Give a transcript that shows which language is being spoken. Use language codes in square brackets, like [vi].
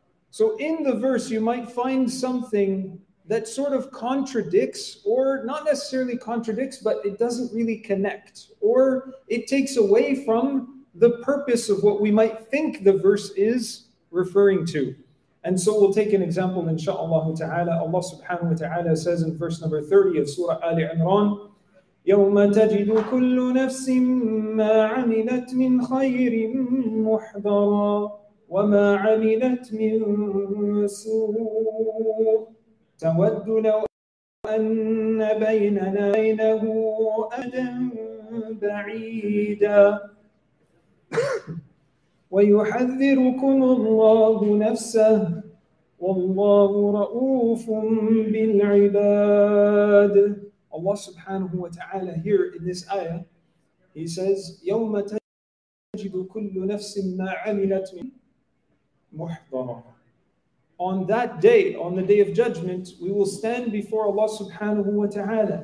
[en] So in the verse, you might find something that sort of contradicts, or not necessarily contradicts, but it doesn't really connect, or it takes away from the purpose of what we might think the verse is referring to. And so we'll take an example, insha'Allah ta'ala. Allah subhanahu wa ta'ala says in verse number 30 of Surah Ali Imran, [ar] يَوْمَ تَجِدُ كُلُّ نَفْسٍ مَا عَمِلَتْ مِنْ خَيْرٍ مُحْضَرًا وَمَا عَمِلَتْ مِنْ سُوءٍ تَوَدُّ لَوْ أَنَّ بَيْنَنَا بَيْنَهُ أَمَدًا بَعِيدًا وَيُحَذِّرُكُمُ اللَّهُ نَفْسَهُ وَاللَّهُ رَؤُوفٌ بِالْعِبَادِ. Allah subhanahu wa ta'ala here in this ayah, He says, يَوْمَ تَجِدُ كُلُّ نَفْسٍ مَا عَمِلَتْ مِنْ مُحْضَرًا. [en] On that day, on the day of judgment, we will stand before Allah subhanahu wa ta'ala.